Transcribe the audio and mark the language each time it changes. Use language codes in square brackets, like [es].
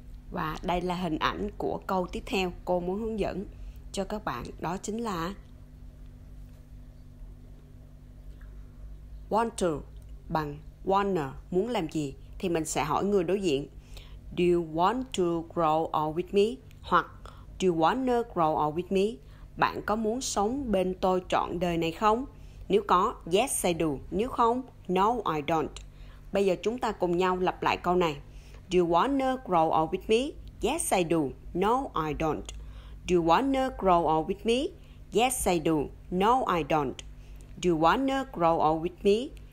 [vi] Và đây là hình ảnh của câu tiếp theo cô muốn hướng dẫn cho các bạn. Đó chính là want to bằng wanna, muốn làm gì. Thì mình sẽ hỏi người đối diện, [en] do you want to grow old with me? [vi] Hoặc [en] do you want to grow old with me? [vi] Bạn có muốn sống bên tôi trọn đời này không? Nếu có, [en] yes I do. [vi] Nếu không, [en] no I don't. [vi] Bây giờ chúng ta cùng nhau lặp lại câu này. [en] Do you wanna grow old with me? Yes I do. No I don't. Do you wanna grow old with me? Yes I do. No I don't. Do you wanna grow old with me?